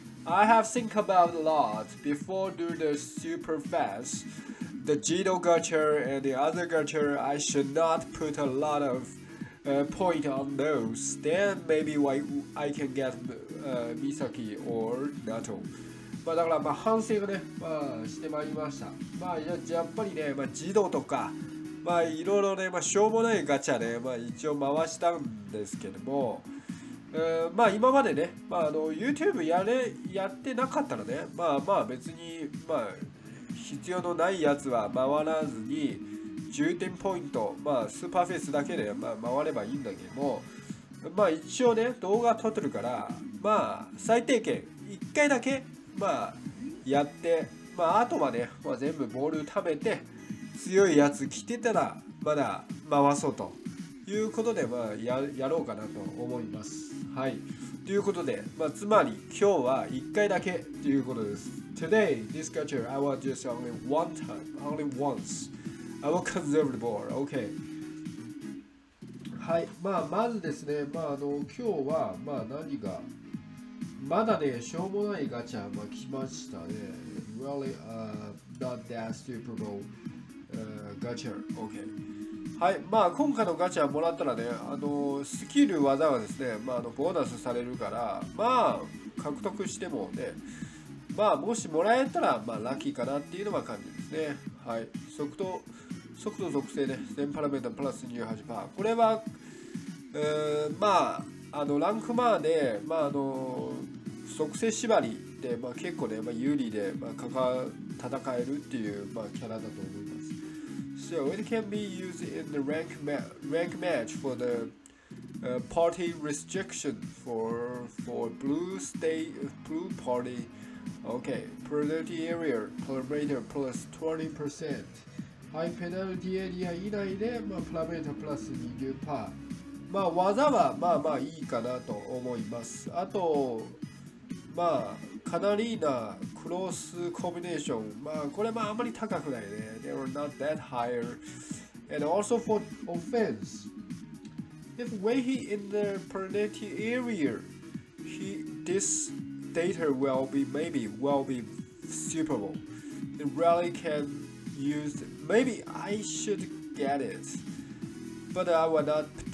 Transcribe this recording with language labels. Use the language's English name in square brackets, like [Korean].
[English] I have think about a lot before do the super fast. The Gido gacha and the other gacha, I should not put a lot of point on those. Then maybe I can get Misaki or Naruto. [Japanese] まあ、だからまあ反省をね、まあ、してまいりました。まあ、やっぱりね、まあ、児童とか、まあ、いろいろね、まあ、しょうもないガチャね、まあ、一応回したんですけども、まあ、今までね、まあ、YouTube やってなかったらね、まあまあ別に、まあ、必要のないやつは回らずに、重点ポイント、まあ、スーパーフェイスだけで、まあ、回ればいいんだけども、まあ、一応ね、動画撮ってるから、まあ、最低限、1回だけ、まあやって、まああとはね、まあ、全部ボール貯めて、強いやつ来てたら、まだ回そうということで、まあやろうかなと思います。はい。ということで、まあつまり今日は1回だけということです。 [English] Today, this gacha, I will just only one time, only once. I will conserve the ball, okay. [Japanese] はい。まあまずですね、まあ今日は、まあ何が。まだね、しょうもないガチャ、まあ、来ましたね。 [English] Really, not that stupid gacha. Okay. [Japanese] はい、まあ今回のガチャもらったらね、スキル技はですね、まあ、ボーナスされるから、まあ獲得してもね、まあもしもらえたら、まあラッキーかなっていうのは感じですね。はい。速度属性ね、全パラメータプラス 28%。これは、まあ、ランクマーで、まあ属性縛りで、まあ、結構ね、まあ、有利で、まあ、戦えるっていう、まあ、キャラだと思います。 [English] So it can be used in the rank match for the party restriction for blue party. Okay, penalty area parameter plus 20%. [Japanese] はい、ペナルティエリア以内で、まあ、パラメータプラス 20%。まあ技はまあまあいいかなと思います。あとまあかなりなクロースコンビネーション、まあこれまああまり高くないね。 [English] They are not that higher. And also for offense, if when he in the penalty area, he this data will be superable. It really can use. Maybe I should get it, but I will not.